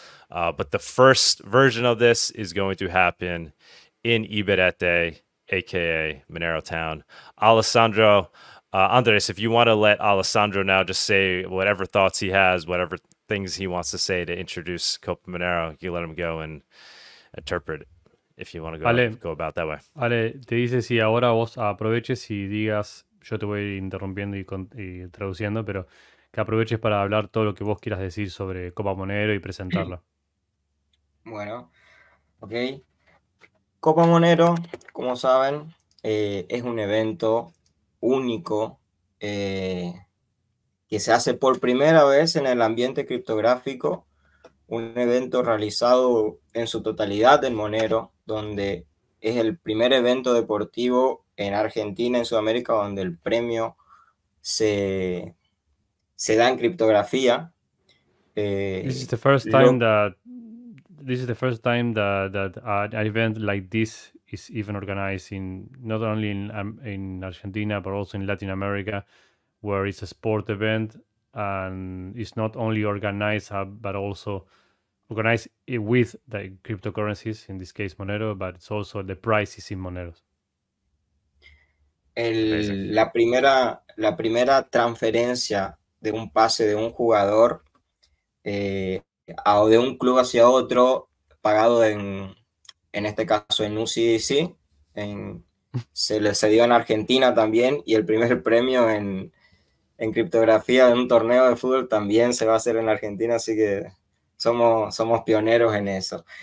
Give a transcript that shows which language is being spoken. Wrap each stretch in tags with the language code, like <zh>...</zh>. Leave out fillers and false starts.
<en>But the first version of this is going to happen in Iberete, aka Monero Town. Alessandro, Anhdres, if you want to let Alessandro now just say whatever thoughts he has, whatever things he wants to say to introduce Copa Monero, you let him go and interpret it. If you want to go about that way.</en> <es>Ale, te dice si ahora vos aproveches y digas, yo te voy interrumpiendo y traduciendo, pero que aproveches para hablar todo lo que vos quieras decir sobre Copa Monero y presentarlo. Bueno, ok. Copa Monero, como saben, es un evento único que se hace por primera vez en el ambiente criptográfico, un evento realizado en su totalidad en Monero, donde es el primer evento deportivo en Argentina, en Sudamérica, donde el premio se da en criptografía.</es> <en>This is the first time that an event like this is even organized in not only in Argentina but also in Latin America. where it's a sport event and it's not only organized but also organized with the cryptocurrencies, in this case Monero, but it's also the prices in Monero.</en> <es>La primera transferencia de un pase de un jugador o de un club hacia otro pagado en este caso en UCDC, se dio en Argentina también, y el primer premio en criptografía de un torneo de fútbol también se va a hacer en Argentina, así que somos pioneros en eso.</es>